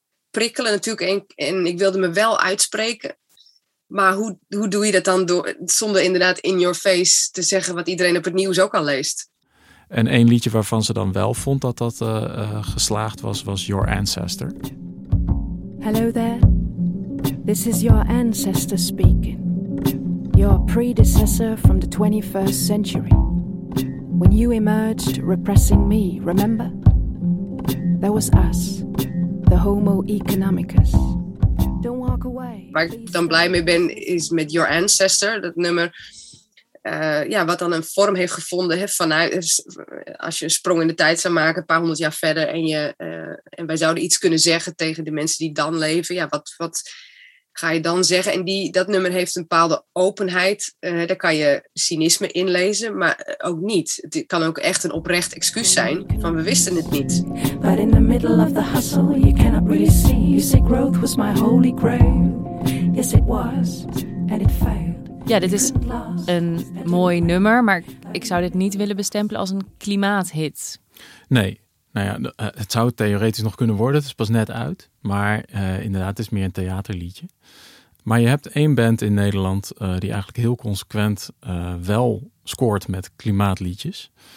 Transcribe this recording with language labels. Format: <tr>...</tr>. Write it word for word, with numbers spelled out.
<nl>prikkelen natuurlijk en, en ik wilde me wel uitspreken. Maar hoe, hoe doe je dat dan door, zonder inderdaad in your face te zeggen wat iedereen op het nieuws ook al leest? En één liedje waarvan ze dan wel vond dat dat uh, uh, geslaagd was, was Your Ancestor.</nl> <en>Hello there, this is your ancestor speaking. Your predecessor from the twenty-first century. When you emerged repressing me, remember? That was us. De Homo economicus. Don't walk away.</en> <nl>Waar ik dan blij mee ben is met Your Ancestor, dat nummer. Uh, ja, wat dan een vorm heeft gevonden. Hè, vanuit, als je een sprong in de tijd zou maken, een paar honderd jaar verder. En, je, uh, en wij zouden iets kunnen zeggen tegen de mensen die dan leven. Ja, wat, wat, ga je dan zeggen. En die, dat nummer heeft een bepaalde openheid. Uh, daar kan je cynisme in lezen, maar ook niet. Het kan ook echt een oprecht excuus zijn van we wisten het niet.</nl> <en>But in the middle of the hustle, you cannot really see. You say growth was my holy grail. Yes, it was. And it failed.</en> <nl>Ja, dit is een mooi nummer, maar ik zou dit niet willen bestempelen als een klimaathit. Nee, nou ja, het zou theoretisch nog kunnen worden. Het is pas net uit, maar uh, inderdaad, het is meer een theaterliedje. Maar je hebt één band in Nederland uh, die eigenlijk heel consequent uh, wel scoort met klimaatliedjes.</nl>